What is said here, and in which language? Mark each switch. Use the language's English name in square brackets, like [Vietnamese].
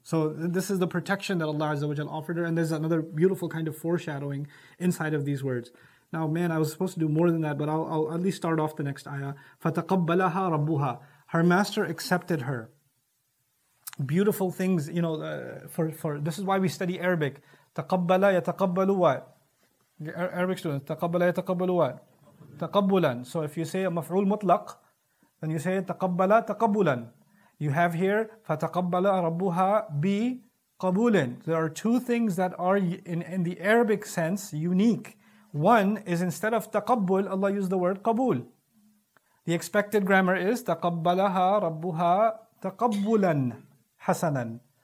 [English] So this is the protection that Allah Azza wa Jalla offered her. And there's another beautiful kind of foreshadowing inside of these words. Now, man, I was supposed to do more than that, but I'll at least start off the next ayah. [Arabic] فَتَقَبَّلَهَا رَبُّهَا. [English] Her master accepted her. Beautiful things, you know, for this is why we study Arabic. [Arabic] تَقَبَّلَ يَتَقَبَّلُ وَا. Arabic students, تَقَبَّلَ يَتَقَبَّلُ وَا. تَقَبُّلًا. [English] So if you say a maf'ul mutlaq, then you say تَقَبَّلَ تَقَبُّلًا. [Arabic] You have here, فَتَقَبَّلَ رَبُّهَا بِقَبُولٍ. [English] There are two things that are, in the Arabic sense, unique. One is, instead of taqabbul, Allah used the word qabul. The expected grammar is taqabbalaha rabbuha taqabbulan hasanan.